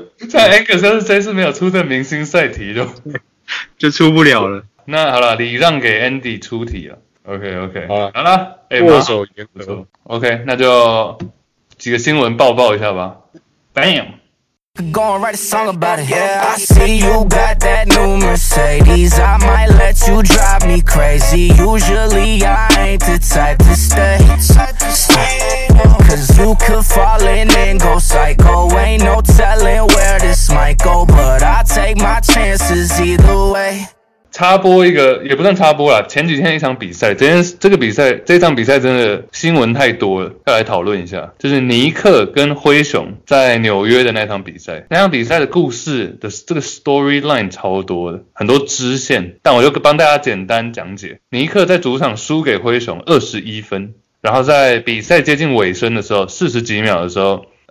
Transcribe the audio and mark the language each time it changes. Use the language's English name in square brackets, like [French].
[Chinese] 在 Angus 是这次没有出的明星赛题就出不了了。那好了，礼让给 Andy 出题了。 [English] OK， [Chinese] 好了，握手言和。 OK， 那就几个新闻报一下吧。 Bam。 [English] Go and write a song about it. Yeah, I see you got that new Mercedes. I might let you drive me crazy. Usually, I ain't the type to stay. Cause you could fall in and go psycho. Ain't no telling where this might go. But I take my chances either way. [Chinese] 插播一个，也不算插播啦，前几天一场比赛，这场比赛真的新闻太多了，要来讨论一下，就是尼克跟灰熊在纽约的那场比赛，那场比赛的故事的这个 storyline 超多的，很多支线，但我就帮大家简单讲解，尼克在主场输给灰熊21分，然后在比赛接近尾声的时候，40几秒的时候，